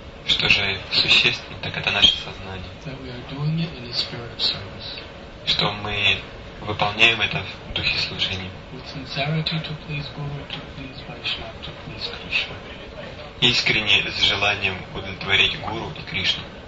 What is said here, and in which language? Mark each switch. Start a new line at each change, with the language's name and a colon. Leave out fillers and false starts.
Russian: Что же существенно, так это наше сознание.
English: That we are doing it in the spirit of service.
Russian: Что мы выполняем это в духе служения.
English: With sincerity to please Guru, to please Vaishnava, to please Krishna.
Russian: Искренне с желанием удовлетворить Гуру и Кришну.